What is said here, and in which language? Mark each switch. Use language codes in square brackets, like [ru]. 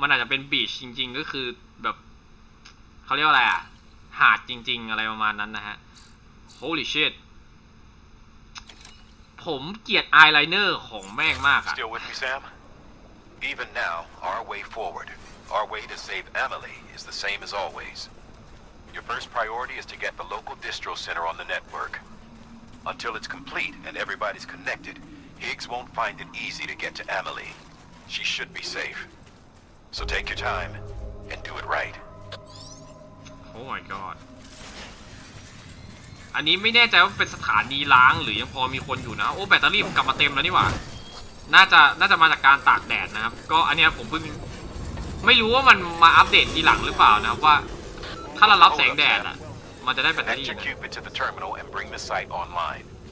[th] ป็นบีชจริงๆก็คือแบบเขาเรียกว่าอะไรอ่ะหาดจริงๆอะไรประมาณนั้นนะฮะ [en] Holy shit [th] ผมเกลียดไอไลเนอร์ของแม่งมากอ่ะ [en] Still with me Sam Even now our way forward our way to save Emily is the same as always Your first priority is to get the local distro center on the network Until it's complete and everybody's connectedHiggs won't find it easy to get to Emily. She should be safe. So take your time and do it right. Oh my god. [th] อันนี้ไม่แน่ใจว่าเป็นสถานีล้างหรือยังพอมีคนอยู่นะโอ้แบตเตอรี่ผมกลับมาเต็มแล้วนี่หว่าน่าจะมาจากการตากแดดนะครับก็อันนี้ผมเพิ่งไม่รู้ว่ามันมาอัปเดตทีหลังหรือเปล่านะครับว่าถ้าเรารับแสงแดดอ่ะมันจะได้แบตเตอรี่นะ [en] Execute it to the terminal and bring the site online